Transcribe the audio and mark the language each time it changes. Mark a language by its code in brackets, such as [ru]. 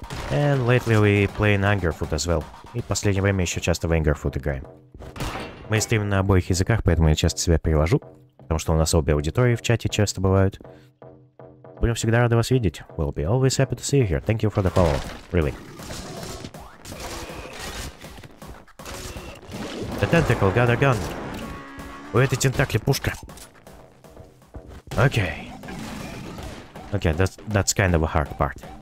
[en] And lately we play in Angerfoot as well. [ru] И в последнее время еще часто в Angerfoot играем. Мы стримим на обоих языках, поэтому я часто себя перевожу. Потому что у нас обе аудитории в чате часто бывают. Будем всегда рады вас видеть. [en] We'll be always happy to see you here. Thank you for the follow. Really. The tentacle got a gun. [ru] У этой тентакли пушка. Окей. [en] Окей, that's kind of a hard part.